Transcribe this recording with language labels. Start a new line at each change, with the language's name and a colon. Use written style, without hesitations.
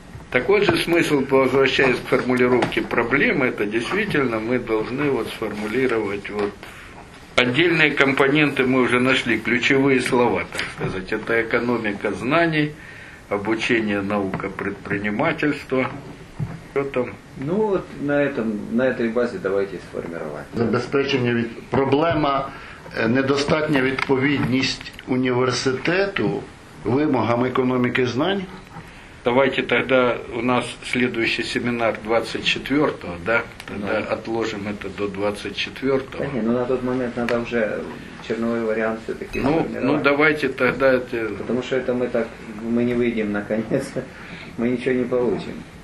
Russian: Такой же смысл, возвращаясь к формулировке проблемы, это действительно мы должны вот сформулировать вот отдельные компоненты, мы уже нашли ключевые слова, так сказать. Это экономика знаний, обучение, наука, предпринимательство. Что там? Ну вот на этом, на этой базе давайте сформировать.
Ukrainian: Забезпечення від... проблема недостатня відповідність університету вимогам економіки знань.
Russian: Давайте тогда у нас следующий семинар 24-го, да? Тогда да. Отложим это до 24-го. Да нет, но на тот момент надо уже черновой вариант все-таки. Ну, ну давайте тогда это. Потому что это мы так, мы не выйдем наконец, мы ничего не получим.